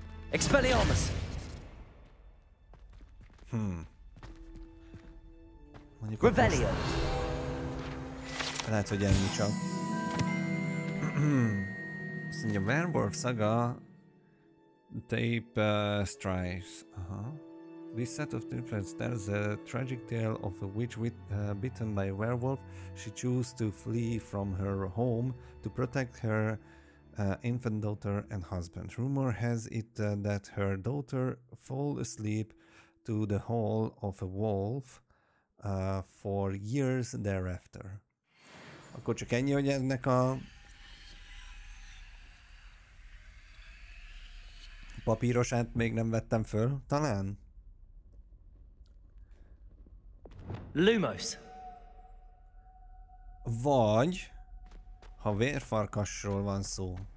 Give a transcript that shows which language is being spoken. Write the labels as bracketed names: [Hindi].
[Hungarian] Expelliarmus! Mondjuk Revelio! Lehet, hogy ennyi csak. Azt mondja, Werewolf szaga [English] Tape strikes. This set of tapes tells the tragic tale of a witch bitten by a werewolf. She chose to flee from her home to protect her infant daughter and husband. Rumor has it that her daughter fell asleep to the howl of a wolf for years thereafter. [Hungarian] Akkor csak ennyi, hogy ennek a papírosát még nem vettem föl, talán? Lumos. Vagy, ha vérfarkasról van szó.